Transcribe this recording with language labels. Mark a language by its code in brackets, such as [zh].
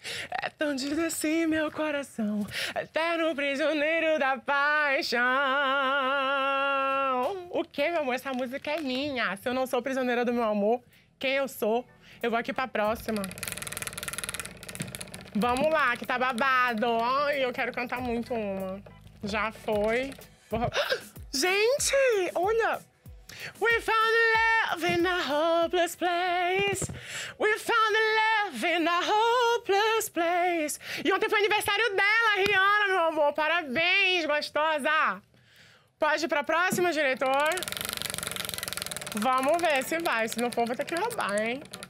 [pt] É tão difícil assim, meu coração. Eterno prisioneiro da paixão. O quê, meu amor? Essa música é minha. Se eu não sou prisioneira do meu amor, quem eu sou? Eu vou aqui pra próxima. Vamos lá, que tá babado. Ai, eu quero cantar muito uma. Já foi. Gente, olha! [en] We found love in a hopeless place. We found love in a hopeless place. [pt] E ontem foi aniversário dela, Rihanna, meu amor. Parabéns, gostosa. Pode ir pra próxima, diretor? Vamos ver se vai. Se não for, vou ter que roubar, hein?